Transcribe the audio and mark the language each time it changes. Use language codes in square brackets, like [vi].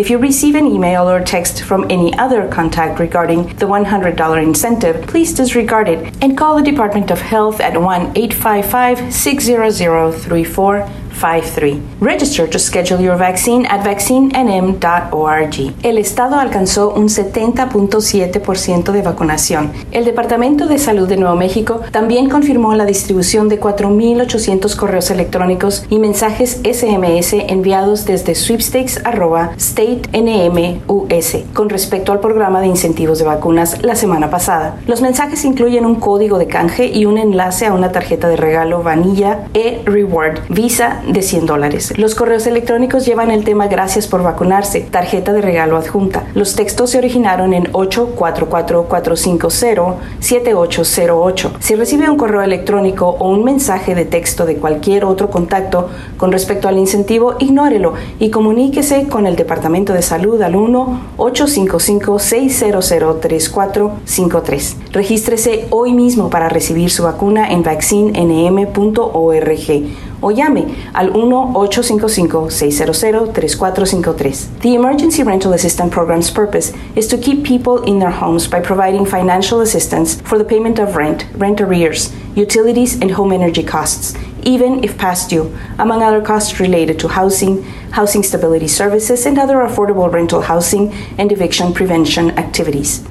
[en] If you receive an email or text from any other contact regarding the $100 incentive, please disregard it and call the Department of Health at 1-855-600-3453. Register to schedule your vaccine at vaccinenm.org. [es] El Estado alcanzó un 70.7% de vacunación. El Departamento de Salud de Nuevo México también confirmó la distribución de 4,800 correos electrónicos y mensajes SMS enviados desde sweepstakes@statenmus con respecto al programa de incentivos de vacunas la semana pasada. Los mensajes incluyen un código de canje y un enlace a una tarjeta de regalo Vanilla E-Reward Visa de $100. Los correos electrónicos llevan el tema "Gracias por vacunarse, tarjeta de regalo adjunta". Los textos se originaron en 844-450-7808. Si recibe un correo electrónico o un mensaje de texto de cualquier otro contacto con respecto al incentivo, ignórelo y comuníquese con el Departamento de Salud al 1-855-600-3453. Regístrese hoy mismo para recibir su vacuna en vaccinenm.org. O llame al 1-855-600-3453. [en] The Emergency Rental Assistance Program's purpose is to keep people in their homes by providing financial assistance for the payment of rent, rent arrears, utilities, and home energy costs, even if past due, among other costs related to housing, housing stability services, and other affordable rental housing and eviction prevention activities.